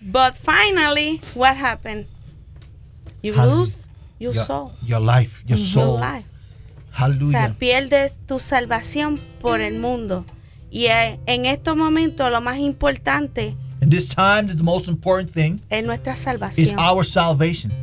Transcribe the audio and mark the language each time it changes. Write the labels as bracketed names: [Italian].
[English] But finally, what happened? You lose your soul. Your life, your soul. Your life. Hallelujah. [Spanish] O sea, pierdes tu salvación por el mundo. Y en estos momentos lo más importante [English] In this time, the most important thing is our salvation.